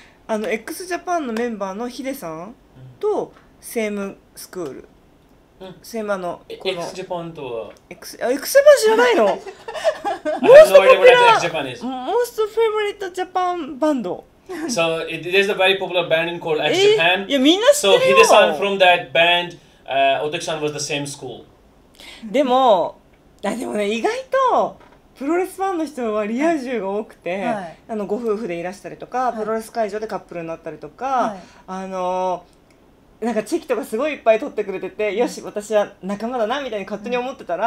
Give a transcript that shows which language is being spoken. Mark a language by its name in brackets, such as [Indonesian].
[Japanese] あの X ジャパンのメンバーのヒデさんと [English] セームスクール、セーム [Japanese] あのこの X ジャパンとは X ジャパン知らないの？ [English] モーストポピュラーモーストフェイバリットジャパンバンド。 So there's a very popular band called X Japan. [Japanese] いやみんな知ってるよ。 [English] So Hide-san from that band, Otoki-san was the same school [Japanese] でも、あ、でもね、意外とプロレスファンの人はリア充が多くて、はい、あのご夫婦でいらしたりとか、はい、プロレス会場でカップルになったりとか、はい、あのなんかチェキとかすごいいっぱい撮ってくれてて、はい、よし私は仲間だなみたいに勝手に思ってたら、